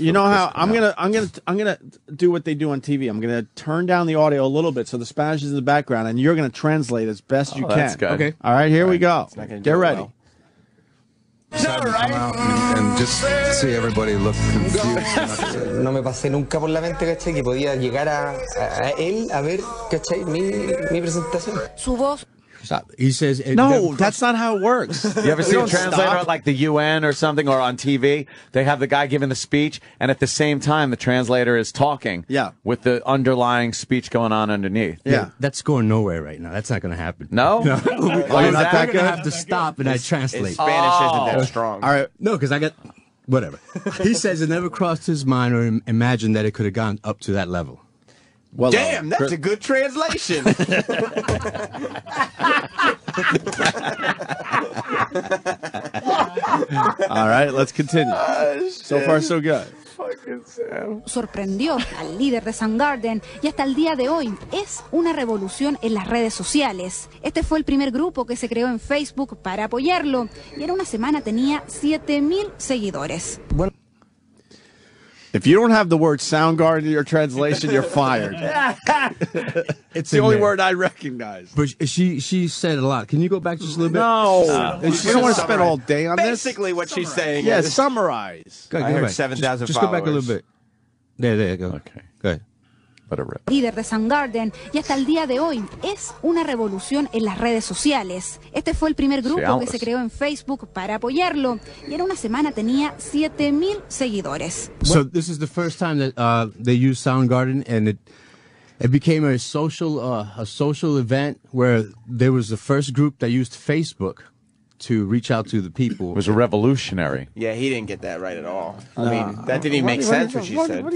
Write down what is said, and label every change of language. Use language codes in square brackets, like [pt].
[en] Now, you know how I'm gonna do what they do on TV. I'm gonna turn down the audio a little bit so the Spanish is in the background, and you're gonna translate as best you can. That's good. Okay. All right, here we go. Get ready. Come out and just see everybody look confused. [es] No me pasé nunca por la mente, ¿cachai? Que podía llegar a él a ver, ¿cachai? Mi presentación. Su voz. [en] He says, no, that's not how it works. You ever see a translator at like the UN or something or on TV? They have the guy giving the speech, and at the same time, the translator is talking with the underlying speech going on underneath. Yeah. That's going nowhere right now. That's not going to happen. No? I'm going to have to stop and translate. Spanish isn't that strong. All right. No, because I got whatever. He says it never crossed his mind or imagined that it could have gone up to that level. Well, damn, that's a good translation. All right, let's continue. So far, so good. [es] Sorprendió al líder de Soundgarden y hasta el día de hoy es una revolución en las redes sociales. Este fue el primer grupo que se creó en Facebook para apoyarlo y en una semana tenía 7,000 seguidores. Bueno. [en] If you don't have the word Soundgarden in your translation, you're fired. It's the only word I recognize. But she said a lot. Can you go back just a little bit? No. We don't want to spend all day on basically this. Basically what she's saying. Yeah, is, summarize. Go ahead, I heard 7,000 followers. Just go back a little bit. There you go. Okay. Go ahead. but a rip. [es] Líder de Soundgarden y hasta el día de hoy es una revolución en las redes sociales. Este fue el primer grupo que se creó en Facebook para apoyarlo y en una semana tenía 7,000 seguidores. [en] So this is the first time that they used Soundgarden and it became a social event where there was the first group that used Facebook to reach out to the people. It was a revolutionary. Yeah, he didn't get that right at all. I mean, that didn't even make sense what she said.